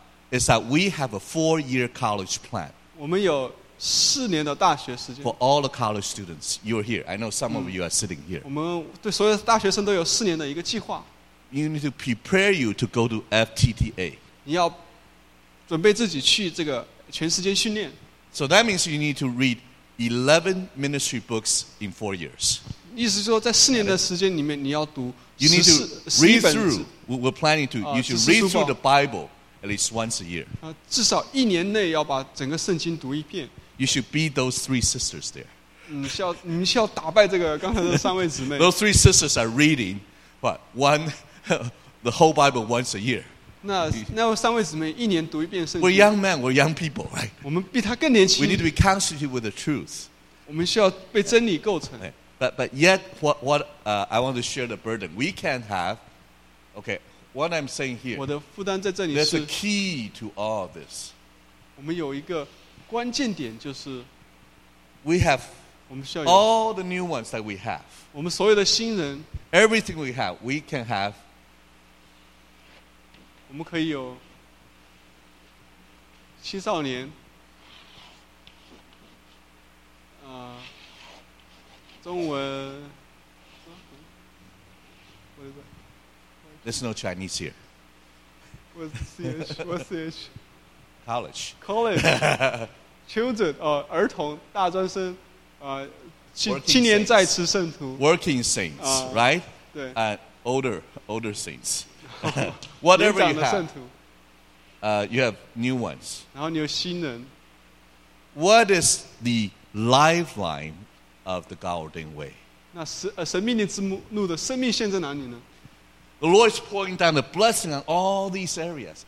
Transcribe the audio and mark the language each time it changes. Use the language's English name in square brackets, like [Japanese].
[English] is that we have a four-year college plan. [Chinese] 我们有4年的大学时间。 [English] For all the college students, you're here. I know some of you are sitting here. [Chinese] 我们对所有大学生都有4年的一个计划。 [English] You need to prepare you to go to FTTA. [Chinese] 你要准备自己去这个全时间训练。 [English] So that means you need to read 11 ministry books in 4 years. [Chinese] 意思说在4年的时间里面你要读 [English] You need to read through. We're planning to. You should read through the Bible at least once a year. [Chinese] 至少一年内要把整个圣经读一遍。 [English] You should beat those three sisters there. [Chinese] 你需要打败这个刚才的三位姊妹。 [English] Those three sisters are reading, but one the whole Bible once a year. [Chinese] 那三位姊妹一年读一遍圣经。 [English] We're young men. We're young people, right? [Chinese] 我们比他更年轻。 [English] We need to be constituted with the truth. [Chinese] 我们需要被真理构成。 [English] But yet, what I want to share the burden. We can't have, okay, what I'm saying here, [Chinese] 我的负担在这里是, [English] there's a key to all of this. [Chinese] 我们有一个关键点就是, [English] we have [Chinese] 我们需要有, [English] all the new ones that we have. [Chinese] 我们所有的新人, [English] everything we have, we can have. [Chinese] 我们可以有青少年, 中文, [English] there's no Chinese here. What's CH? College. College. Children, [Chinese] 儿童,大专生, 青年在此圣徒, [English] working saints, right? Older saints. Whatever you have. You have new ones. [Chinese] 然后你有新人, [English] what is the lifeline of the God-ordained way? [Chinese] 那神命令之路的生命线在哪里呢? [English] The Lord is pouring down the blessing on all these areas.